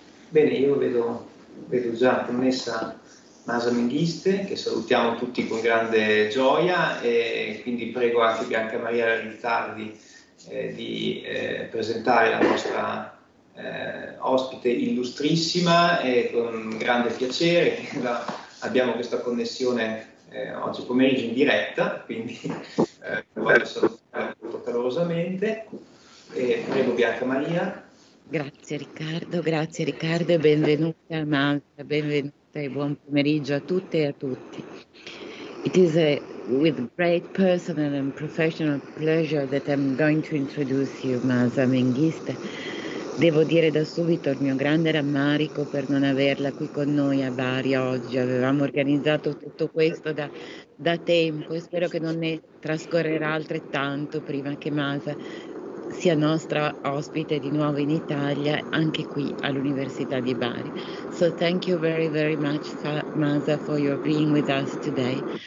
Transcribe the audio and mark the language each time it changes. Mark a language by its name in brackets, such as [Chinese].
[Italian] Bene, io vedo già connessa Masa Mengiste, che salutiamo tutti con grande gioia, e quindi prego anche Bianca Maria Rizzardi di presentare la nostra ospite illustrissima, e con grande piacere che abbiamo questa connessione oggi pomeriggio in diretta, quindi voglio salutare calorosamente. Prego Bianca Maria. Grazie Riccardo e benvenuta a Malta, benvenuta e buon pomeriggio a tutte e a tutti. [English] It is with great personal and professional pleasure that I'm going to introduce you, Masa Mengiste. [Italian] Devo dire da subito il mio grande rammarico per non averla qui con noi a Bari oggi. Avevamo organizzato tutto questo da tempo e spero che non ne trascorrerà altrettanto prima che Masa sia nostra ospite di nuovo in Italia, anche qui all'Università di Bari. [English] So thank you very, very much, Masa, for your being with us today.